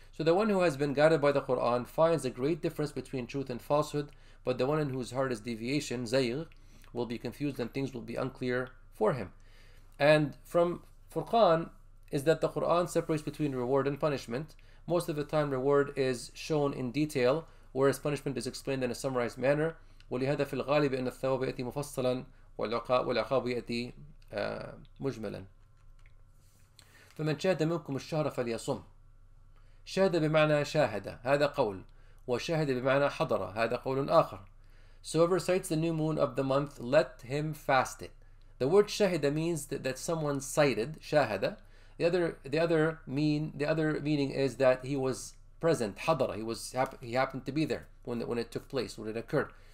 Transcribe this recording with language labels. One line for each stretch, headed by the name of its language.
English: So the one who has been guided by the Quran finds a great difference between truth and falsehood, but the one in whose heart is deviation, زيغ, will be confused and things will be unclear for him. And from Furqan is that the Quran separates between reward and punishment. Most of the time reward is shown in detail, whereas punishment is explained in a summarized manner.
Arabic: وَلِهَذَا فِي الْغَالِبِ أَنَّ الثَّوَابَ يَأْتِي مُفَصَّلًا والعقاب يأتي مجملا. فمن شهد منكم الشهر فليصم. شهد بمعنى شاهد هذا قول, وشهد بمعنى حضر هذا قول آخر.
English: So whoever cites the new moon of the month, let him fast it. The word شهد means that someone cited شاهد. The other meaning is that he was present, حضر, he happened to be there when it took place, when it occurred.